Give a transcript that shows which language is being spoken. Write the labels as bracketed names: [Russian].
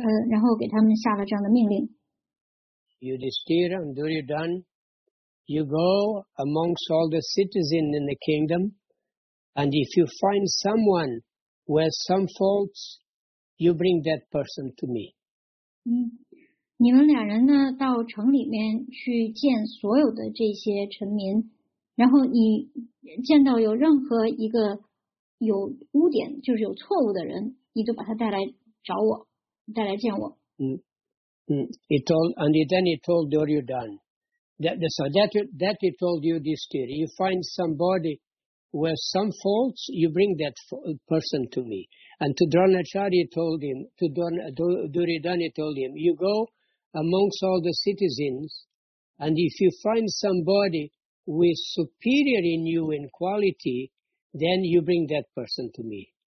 [Chinese] 然后给他们下了这样的命令。 [English] Yudhisthira and Duryodhana, you go amongst all the citizens in the kingdom, and if you find someone who has some faults, you bring that person to me. [Chinese] 你们两人呢，到城里面去见所有的这些臣民，然后你见到有任何一个有污点，就是有错误的人，你就把他带来找我。带来见我。 [English] He told, and then he told Duryodhana that that he told you this theory. You find somebody with some faults, you bring that person to me. And to Dronacharya told him, to Duryodhana told him, you go amongst all the citizens, and if you find somebody who is superior in you in quality, then you bring that person to me.